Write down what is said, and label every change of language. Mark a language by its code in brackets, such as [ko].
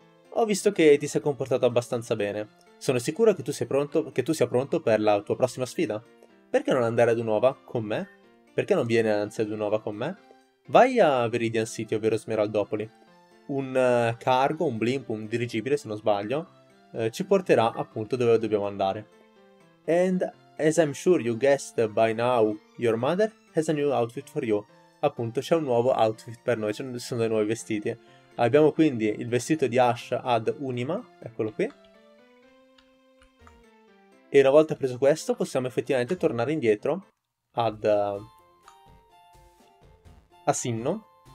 [it] Ho visto che ti sei comportato abbastanza bene. Sono sicuro che tu sia pronto per la tua prossima sfida. Perché non andare ad Unova con me? Perché non vieni anzi ad Unova con me? Vai a Viridian City, ovvero Smeraldopoli. Un cargo, un blimp, un dirigibile se non sbaglio, ci porterà appunto dove dobbiamo andare. [en] And as I'm sure you guessed by now, your mother has a new outfit for you. [it] Appunto, c'è un nuovo outfit per noi, ci sono dei nuovi vestiti. Abbiamo quindi il vestito di Ash ad Unima, eccolo qui. E una volta preso questo possiamo effettivamente tornare indietro ad a Sinnoh.